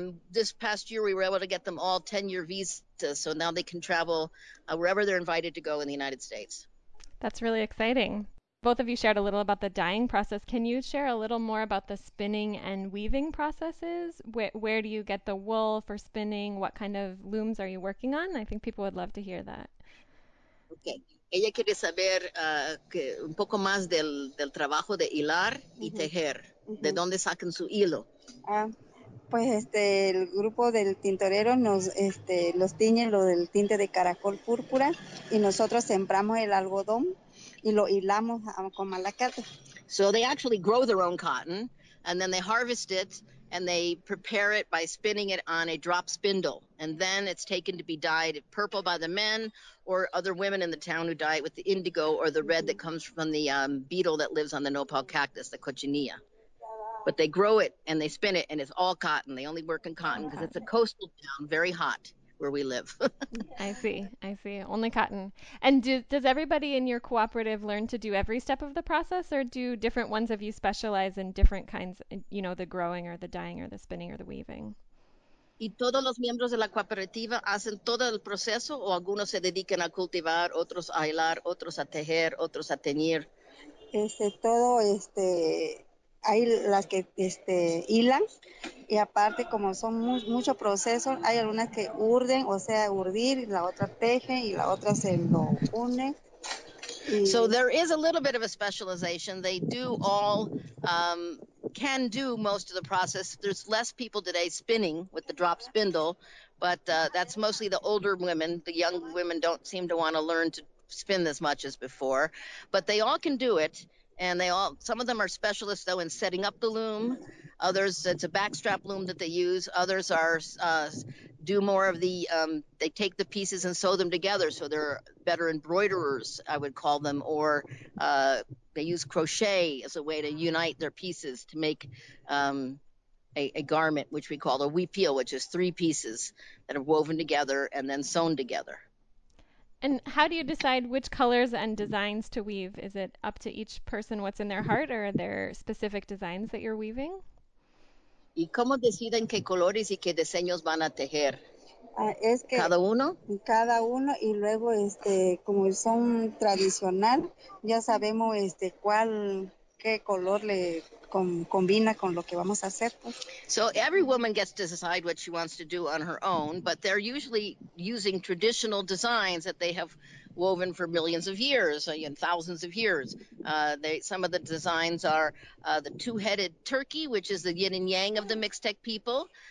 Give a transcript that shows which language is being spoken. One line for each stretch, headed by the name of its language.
English: This past year, we were able to get them all 10-year visas, so now they can travel wherever they're invited to go in the United States. That's really exciting. Both of you shared a little about the dyeing process. Can you share a little more about the spinning and weaving processes? Where do you get the wool for spinning? What kind of looms are you working on? I think people would love to hear that. Okay.
Spanish: Ella quiere saber un poco más del trabajo de hilar y tejer. Mm-hmm. ¿De dónde sacan su hilo? Pues el grupo del tintorero los tiñe lo del tinte de caracol púrpura y nosotros sembramos el algodón. Y lo hilamos con malacate.
English: So they actually grow their own cotton, and then they harvest it, and they prepare it by spinning it on a drop spindle. And then it's taken to be dyed purple by the men or other women in the town who dye it with the indigo or the red that comes from the beetle that lives on the nopal cactus, the cochinilla. But they grow it, and they spin it, and it's all cotton. They only work in cotton because it's a coastal town, very hot. Where we live. I see. Only cotton. And does everybody in your cooperative learn to do every step of the process, or do different ones of you specialize in different kinds, you know, the growing or the dyeing or the spinning or the weaving?
Spanish: ¿Y todos los miembros de la cooperativa hacen todo el proceso, o algunos se dedican a cultivar, otros a hilar, otros a tejer, otros a teñir? Todo. Hay las que hilan, y aparte, como son mucho proceso, hay algunas que urden, o sea, urdir, la otra teje, y la otra se lo une.
English: So there is a little bit of a specialization. They do all, can do most of the process. There's less people today spinning with the drop spindle, But that's mostly the older women. The young women don't seem to want to learn to spin as much as before. But they all can do it. And they all, some of them are specialists, though, in setting up the loom. Others, it's a backstrap loom that they use. Others are do more of the, they take the pieces and sew them together. So they're better embroiderers, I would call them. Or they use crochet as a way to unite their pieces to make a garment, which we call a huipil, which is three pieces that are woven together and then sewn together. And how do you decide which colors and designs to weave? Is it up to each person what's in their heart, or are there specific designs that you're weaving?
Spanish: ¿Y cómo deciden qué colores y qué diseños van a tejer? Es que cada uno. Cada uno, y luego, como son tradicional, ya sabemos cuál, qué color le combina con lo que vamos a hacer.
English: So every woman gets to decide what she wants to do on her own, but they're usually using traditional designs that they have woven for millions of years, and thousands of years. Some of the designs are the two-headed turkey, which is the yin and yang of the Mixtec people.